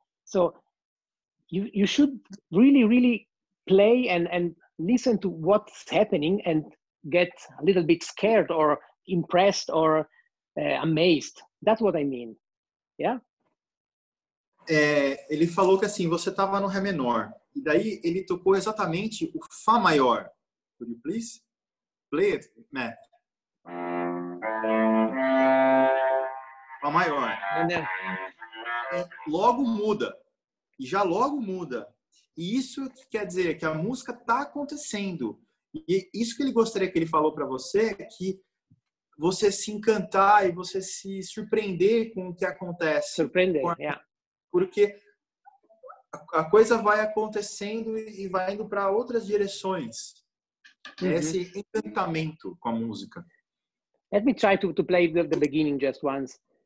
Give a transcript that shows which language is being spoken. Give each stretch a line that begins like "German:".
English: So you should really, really play and listen to what's happening and get a little bit scared or impressed or amazed. That's what I mean. Yeah?
Portuguese: É, ele falou que assim, você estava no Ré menor. E daí ele tocou exatamente o Fá maior.
English: Could you please play it, Matt?
Portuguese: Fá maior. Logo muda. E já logo muda. E isso quer dizer que a música está acontecendo. E isso que ele gostaria que ele falou para você é que você se encantar e você se surpreender com o que acontece. Surpreender, com a... yeah. Porque a coisa vai acontecendo e vai indo para outras direções. Uhum. Esse encantamento com a música.
English: Let me try to play the beginning just once.